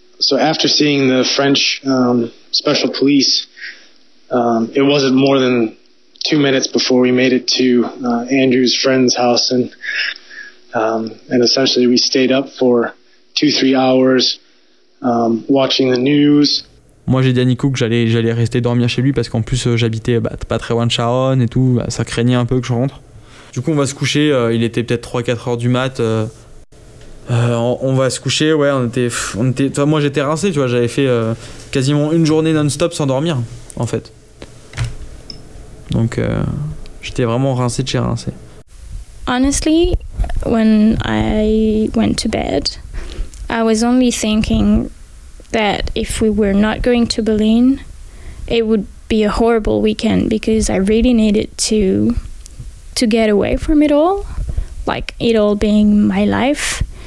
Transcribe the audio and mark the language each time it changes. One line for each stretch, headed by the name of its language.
English: So after seeing the French special police, it wasn't more than 2 minutes before we made it to Andrew's friend's house, and essentially we stayed up for 2-3 hours watching the news.
French: Moi, j'ai dit à Nico que j'allais rester dormir chez lui parce qu'en plus, j'habitais pas très loin de Charonne et tout. Bah, ça craignait un peu que je rentre. Du coup, on va se coucher. Il était peut-être 3-4 heures du mat. On va se coucher. Ouais, on était, toi, moi, j'étais rincé. Tu vois, j'avais fait quasiment une journée non-stop sans dormir, en fait. Donc, j'étais vraiment rincé de chez rincé.
English: Honestly, when I went to bed, I was only thinking that if we were not going to Berlin, it would be a horrible weekend, because I really needed to get away from it all, like it all being my life.